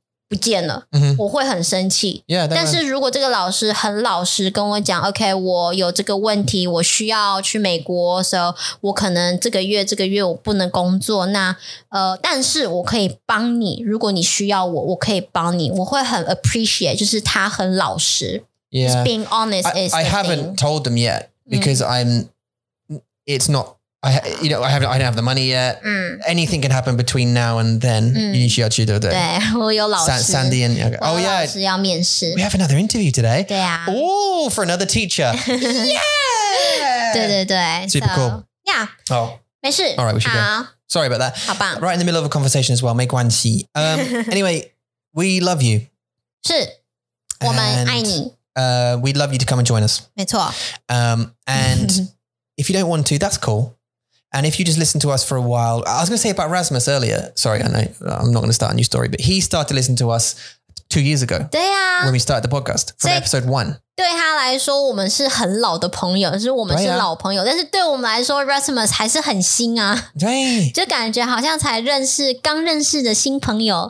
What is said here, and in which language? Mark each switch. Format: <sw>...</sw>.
<zh>不见了,我会很生气。但是如果这个老师很老实跟我讲, OK,我有这个问题,我需要去美国, 所以我可能这个月,这个月我不能工作, 那但是我可以帮你,如果你需要我,我可以帮你, 我会很 appreciate,就是他很老实,</zh> <en>just being honest is I haven't told them yet, because I'm, it's not, I don't have the money yet. Anything can happen between now and then.</en> <zh>你需要去,对不对?对,我有老师。</zh> <en>Sandy and... Okay. Oh, yeah.</en> <zh>我有老师要面试。</zh> <en>We have another interview today.</en> <zh>对啊。</zh> <en>Oh, for another teacher. Yeah!</en> <zh>对对对。</zh> <en>Super cool. Yeah. Oh.</en> <zh>没事。</zh> <en>All right, we should go. Sorry about that.</en> <zh>好棒。</zh> <en>Right in the middle of a conversation as well.</en> <zh>没关系。</zh> <en>Anyway, we love you.</en> <zh>是。我们爱你。</zh> <en>We'd love you to come and join us.</en> <zh>没错。</zh> <en>And... If you don't want to, that's cool. And if you just listen to us for a while, I was going to say about Rasmus earlier. Sorry, I know I'm not going to start a new story, but he started to listen to us 2 years ago.</en> <zh>对啊,</zh> <en>when we started the podcast from episode one.</en> <zh>对他来说，我们是很老的朋友，是我们是老朋友。但是对我们来说, Rasmus 还是很新啊。对。就感觉好像才认识，刚认识的新朋友。</zh>